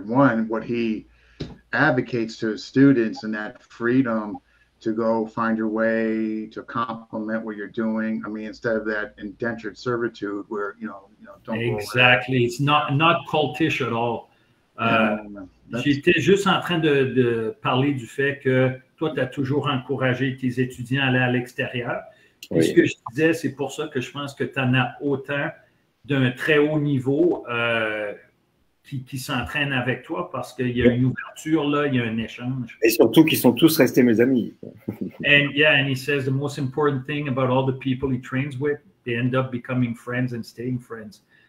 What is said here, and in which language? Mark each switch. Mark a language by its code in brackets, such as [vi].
[en] One, what he advocates to students, and that freedom to go find your way, to complement what you're doing. I mean, instead of that indentured servitude where, you know, don't exactly go, it's not cultish at all. [fr] J'étais juste en train de parler du fait que toi, tu as toujours encouragé tes étudiants à aller à l'extérieur. Oui. Et ce que je disais, c'est pour ça que je pense que tu en as autant d'un très haut niveau qui s'entraînent avec toi, parce qu'il y a une ouverture là, il y a un échange. Et surtout qu'ils sont tous restés mes amis. [en] And yeah, and he says the most important thing about all the people he trains with, they end up becoming friends and staying friends.